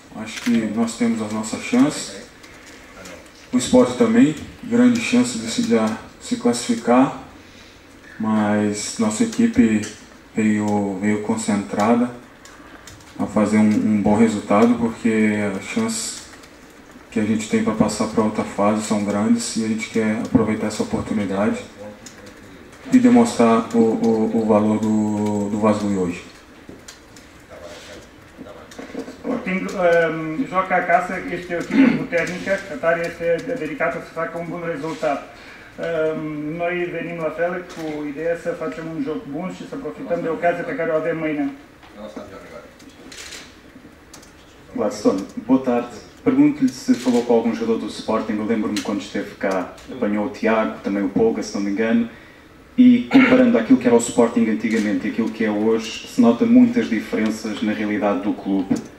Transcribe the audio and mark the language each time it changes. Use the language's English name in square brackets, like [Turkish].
[Portuguese] Acho que nós temos as nossas chances, o esporte também, grande chance de se classificar, mas nossa equipe veio concentrada a fazer um bom resultado, porque a chance que a gente tem para passar para outra fase são grandes e a gente quer aproveitar essa oportunidade e demonstrar o valor do Vaslui hoje. Sporting joga a casa, este é o equipo técnico, a tarefa é dedicada a se fazer um bom resultado. [Romanian] Noi venim la fel cu ideea să facem un joc bun și să profităm de ocazia pe care o avem mâine. [Portuguese] Watson, boa tarde. Pergunto-lhe se falou com algum jogador do Sporting. Eu lembro-me quando esteve cá, apanhou o Tiago, também o Poga, se não me engano. E comparando aquilo que era o Sporting antigamente e aquilo que é hoje, se nota muitas diferenças na realidade do clube.